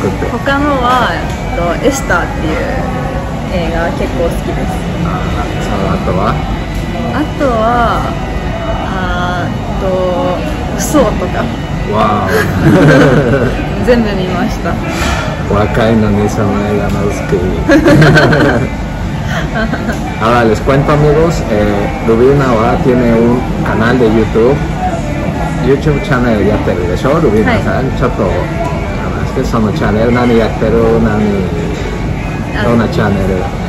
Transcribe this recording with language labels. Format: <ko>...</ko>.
<ja>他のは、エスターっていう映画が結構好きです。そのあとは、あとは、クソとか。わお全部見ました。若いのにその映画の好き。</ja> <es>Ahora les cuento, amigos, Rubina ahora tiene un canal de YouTube.</es> <ja>YouTube チャンネルやってるでしょ、ルビーナさん、はい、ちょっと話して、そのチャンネル何やってる、何、どんなチャンネル。</ja>